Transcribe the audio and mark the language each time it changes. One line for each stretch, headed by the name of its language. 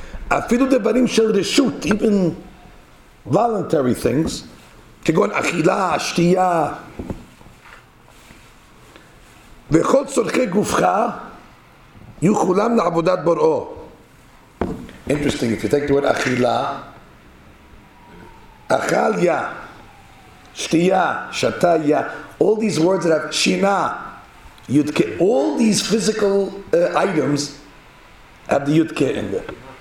Hebrew: Afilu devarim shel reshut,
English: even voluntary things.
Hebrew: כגון אכילה, שתייה, וכל צורכי גופך יהיו כולם לעבודת בוראו.
English: Interesting, if you take the word
Hebrew: אכילה, אכל יא, שתייה, שתה יא,
English: all these words that have
Hebrew: שינה, יודקה,
English: all these physical items have the
Hebrew: יודקה
English: in them.